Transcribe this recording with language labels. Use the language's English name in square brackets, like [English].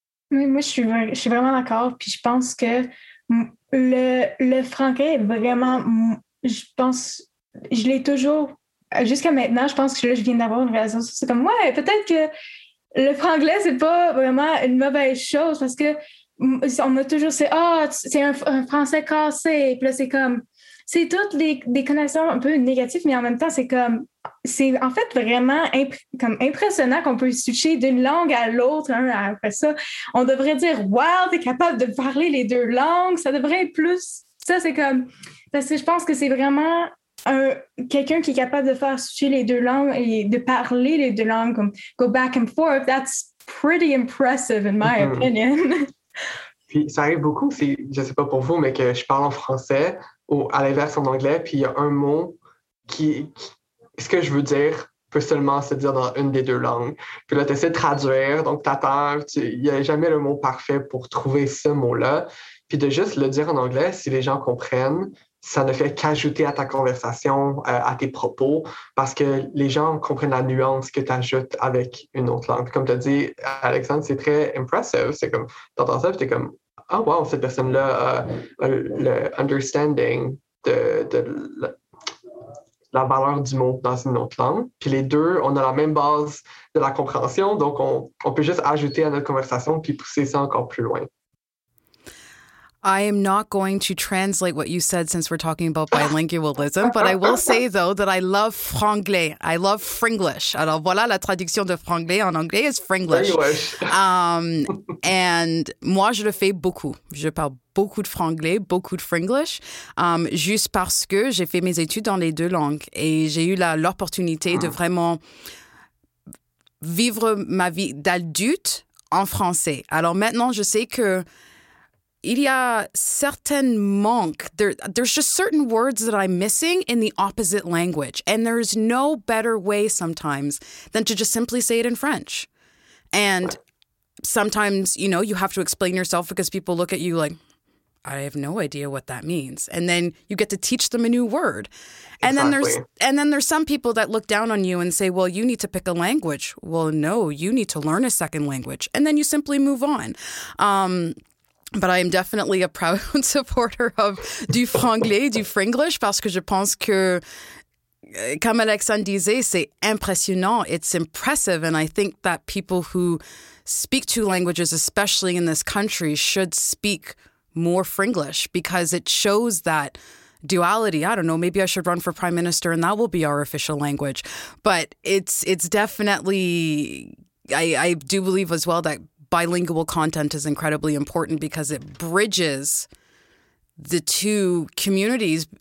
[French] Oui, moi, je suis vraiment d'accord, puis je pense que le franglais est vraiment, je pense, je l'ai toujours, jusqu'à maintenant, je pense que là, je viens d'avoir une réalisation, c'est comme, ouais, peut-être que le franglais, c'est pas vraiment une mauvaise chose, parce que on a toujours, c'est, oh, c'est un français cassé, puis là, c'est comme, c'est toutes des connaissances un peu négatives, mais en même temps, c'est comme, c'est en fait vraiment comme impressionnant qu'on peut switcher d'une langue à l'autre. Hein, après ça, on devrait dire, wow, t'es capable de parler les deux langues, ça devrait être plus. Ça, c'est comme, parce que je pense que c'est vraiment quelqu'un qui est capable de faire switcher les deux langues et de parler les deux langues, comme [English] go back and forth. That's pretty impressive, in my opinion. [French] Puis ça arrive beaucoup, si, je ne sais pas pour vous, mais que je parle en français ou à l'inverse en anglais, puis il y a un mot qui ce que je veux dire peut seulement se dire dans une des deux langues. Puis là, tu essaies de traduire, donc t'attends, il n'y a jamais le mot parfait pour trouver ce mot-là. Puis de juste le dire en anglais, si les gens comprennent, ça ne fait qu'ajouter à ta conversation, à tes propos, parce que les gens comprennent la nuance que tu ajoutes avec une autre langue. Comme tu as dit, Alexandre, c'est très impressive. C'est comme, tu entends ça, puis tu es comme, oh wow, cette personne-là a le understanding de la valeur du mot dans une autre langue. Puis les deux, on a la même base de la compréhension, donc on peut juste ajouter à notre conversation puis pousser ça encore plus loin. [English] I am not going to translate what you said since we're talking about bilingualism, but I will say, though, that I love franglais. I love Fringlish. [French] Alors, voilà la traduction de franglais en anglais [English] is Fringlish. [French] And moi, je le fais beaucoup. Je parle beaucoup de franglais, beaucoup de Fringlish, juste parce que j'ai fait mes études dans les deux langues et j'ai eu l'opportunité de vraiment vivre ma vie d'adulte en français. Alors, maintenant, je sais que il y a certain monk. [English] There's just certain words that I'm missing in the opposite language. And there's no better way sometimes than to just simply say it in French. And sometimes, you know, you have to explain yourself because people look at you like, I have no idea what that means. And then you get to teach them a new word. Exactly. And then there's some people that look down on you and say, well, you need to pick a language. Well, no, you need to learn a second language. And then you simply move on. But I am definitely a proud supporter of [French] du franglais, du fringlish, parce que je pense que, comme Alexandre disait, c'est impressionnant. [English] It's impressive. And I think that people who speak two languages, especially in this country, should speak more fringlish because it shows that duality. I don't know, maybe I should run for prime minister and that will be our official language. But it's definitely, I do believe as well that bilingual content is incredibly important because it bridges the two communities.